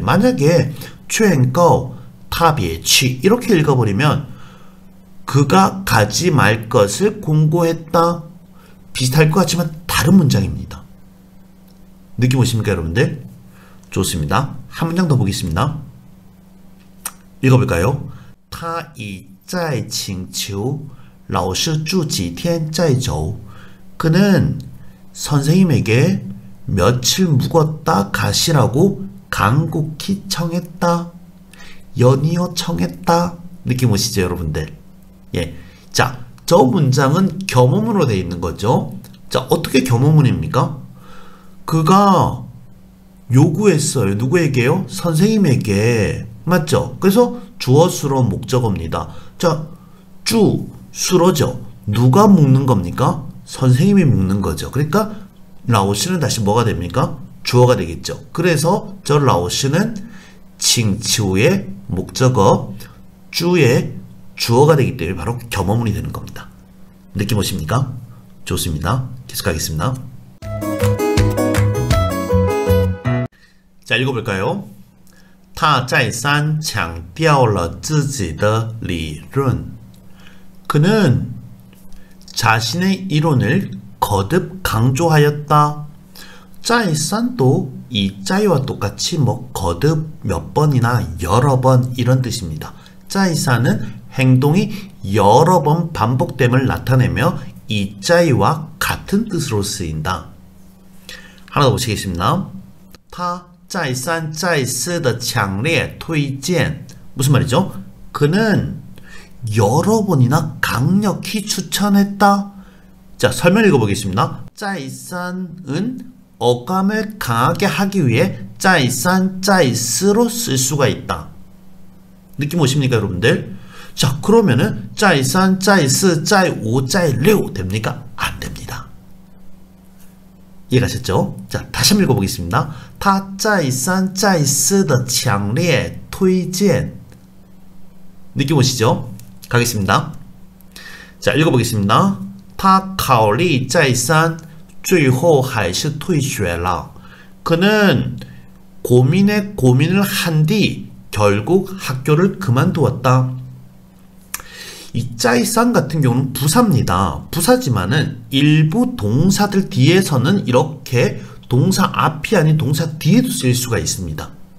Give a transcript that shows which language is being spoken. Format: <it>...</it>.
<ko>만약에 추행거 타비에치 이렇게 읽어버리면 그가 가지 말 것을 공고했다. 비슷할 것 같지만 다른 문장입니다. 느낌 오십니까, 여러분들? 좋습니다. 한 문장 더 보겠습니다. 읽어볼까요?</ko> <zh>他已在请求老师住几天再走。</zh> <ko>그는 선생님에게 며칠 묵었다 가시라고 간곡히 청했다. 연이어 청했다. 느낌 오시죠, 여러분들? 예. 자, 저 문장은 겸음으로 되어 있는 거죠. 자, 어떻게 겸음문입니까? 그가 요구했어요. 누구에게요? 선생님에게. 맞죠? 그래서 주어수로 목적어입니다. 자, 주, 수로죠. 누가 묶는 겁니까? 선생님이 묶는 거죠. 그러니까 라오시는 다시 뭐가 됩니까? 주어가 되겠죠. 그래서 저 라오시는 칭치우의 목적어, 주의 주어가 되기 때문에 바로 겸어문이 되는 겁니다. 느낌 오십니까? 좋습니다. 계속하겠습니다. 자, 읽어볼까요?</ko> <zh>他再三强调了自己的理论。</zh> <ko>그는 자신의 이론을 거듭 강조하였다. 再三도 이 자이와 똑같이 뭐 거듭 몇 번이나 여러 번 이런 뜻입니다. 再三은 행동이 여러 번 반복됨을 나타내며 이 자이와 같은 뜻으로 쓰인다. 하나 더 보시겠습니다.</ko> <zh>他再三再四的强烈推荐。</zh> <ko>무슨 말이죠? 그는 여러 번이나 강력히 추천했다. 자, 설명 읽어보겠습니다. 再三은 어감을 강하게 하기 위해 再三再四로 쓸 수가 있다. 느낌 오십니까, 여러분들? 자, 그러면은 再三再四再五再六 됩니까? 안 됩니다. 이해가셨죠? 자, 다시 한번 읽어보겠습니다.</ko> <zh>他再三再四的强烈推荐。</zh> <ko>느낌 오시죠? 가겠습니다. 자, 읽어보겠습니다.</ko> <zh>他考虑再三最后还是退学了。</zh> <ko>그는 고민에 고민을 한 뒤 결국 학교를 그만두었다. 이 짜이산 같은 경우는 부사입니다. 부사지만은 일부 동사들 뒤에서는 이렇게 동사 앞이 아닌 동사 뒤에도 쓰일 수가 있습니다.</ko>